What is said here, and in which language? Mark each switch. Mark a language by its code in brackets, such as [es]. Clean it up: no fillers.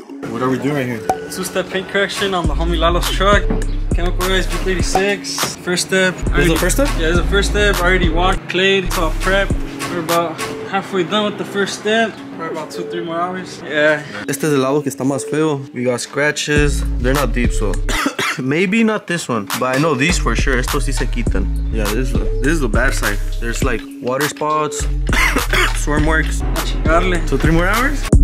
[en] What are we doing here? This is the paint correction on the homie Lalo's truck. Chemical oil is B36. First step. Is it the first step? Yeah, it's the first step. I already walked, clayed, so I prep. We're about halfway done with the first step. Probably about 2-3 more hours. Yeah. [es] Este es el lado que está más feo. [en] We got scratches. They're not deep, so. Maybe not this one, but I know these for sure. [es] Estos sí se quitan. [en] Yeah, this is the bad side. There's like water spots, swarm marks. [es] Darle. [en] 2-3 more hours?